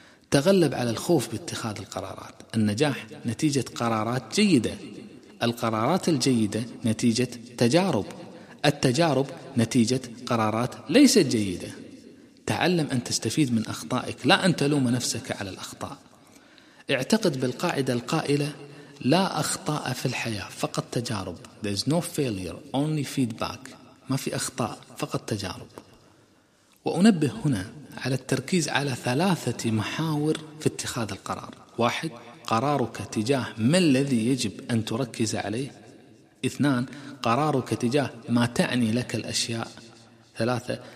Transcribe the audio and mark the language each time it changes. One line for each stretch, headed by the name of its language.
Arabic: تغلب على الخوف باتخاذ القرارات، النجاح نتيجة قرارات جيدة، القرارات الجيدة نتيجة تجارب، التجارب نتيجة قرارات ليست جيدة. تعلم أن تستفيد من أخطائك، لا أن تلوم نفسك على الأخطاء. اعتقد بالقاعدة القائلة: لا أخطاء في الحياة، فقط تجارب.
English: There's no failure, only feedback.
Arabic: ما في أخطاء، فقط تجارب. وأنبه هنا على التركيز على 3 محاور في اتخاذ القرار: 1. قرارك تجاه ما الذي يجب أن تركز عليه؟ 2. قرارك تجاه ما تعني لك الأشياء؟ 3.